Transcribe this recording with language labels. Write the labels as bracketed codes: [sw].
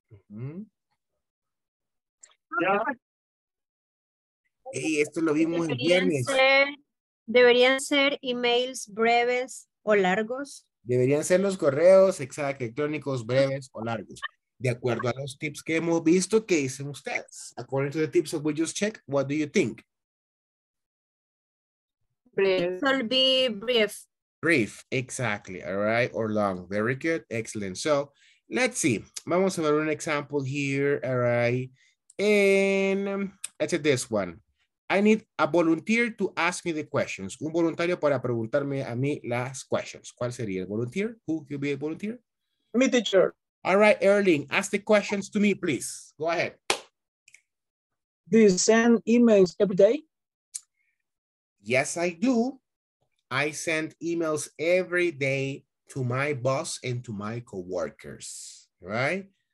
[es] Mm-hmm. Yeah. Hey, esto lo vimos el viernes. ¿Deberían ser emails breves o largos? Deberían ser los correos electrónicos breves o largos, de acuerdo a los tips que hemos visto que dicen ustedes. [en] According to the tips that we just checked, what do you think? Brief. Brief, exactly. All right, or long. Very good. Excellent. So let's see. [es] Vamos a ver un [en] example here. All right. And let's say this one. I need a volunteer to ask me the questions. [es] Un voluntario para preguntarme a mí las questions. ¿Cuál sería el [en] volunteer? Who could be a volunteer? Me, teacher. All right, Erling, ask the questions to me, please. Go ahead. Do you send emails every day? Yes, I do. I send emails every day to my boss and to my coworkers. Right?